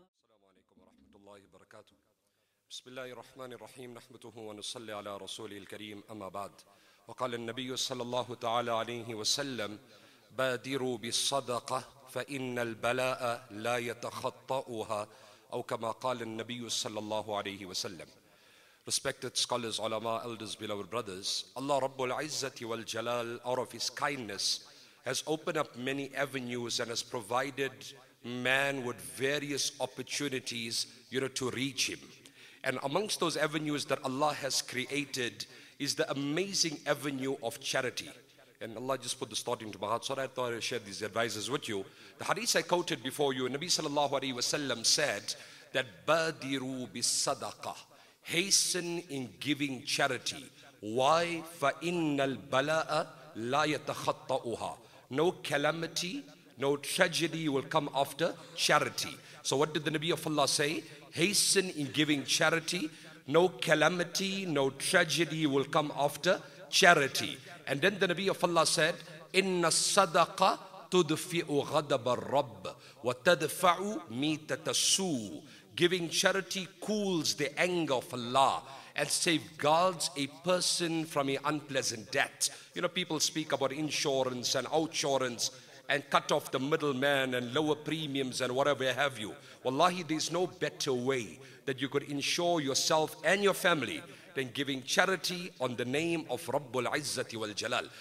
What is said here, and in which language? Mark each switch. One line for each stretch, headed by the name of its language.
Arabic: السلام عليكم ورحمة الله وبركاته. بسم الله الرحمن الرحيم، نحمده ونصلي على رسوله الكريم، أما بعد، وقال النبي صلى الله تعالى عليه وسلم: بادروا بالصدقة فإن البلاء لا يتخطأها، أو كما قال النبي صلى الله عليه وسلم.
English: Respected scholars, ulama, elders, beloved brothers, Allah Rabbul Izzati wal Jalal, out of His kindness, has opened up many avenues and has provided man with various opportunities, you know, to reach Him. And amongst those avenues that Allah has created is the amazing avenue of charity. And Allah just put this thought into my heart, so I thought I'd share these advices with you. The hadith I quoted before you, Nabi sallallahu alayhi wa sallam said that,
Arabic: badiru bisadaqah,
English: hasten in giving charity. Why?
Arabic: فَإِنَّ الْبَلَاءَ لَا يَتَخَطَّأُهَا.
English: No calamity, no tragedy will come after charity. So what did the Nabi of Allah say? Hasten in giving charity. No calamity, no tragedy will come after charity. And then the Nabi of Allah said,
Arabic: إِنَّ الصَّدَقَ تُدْفِئُ غَدَبَ الرَّبَّ وَتَدْفَعُ مِيتَةَ السُّوءِ.
English: Giving charity cools the anger of Allah and safeguards a person from an unpleasant debt. You know, people speak about insurance and outsurance and cut off the middleman and lower premiums and whatever have you. Wallahi, there's no better way that you could insure yourself and your family than giving charity on the name of Rabbul Izzati wal Jalal.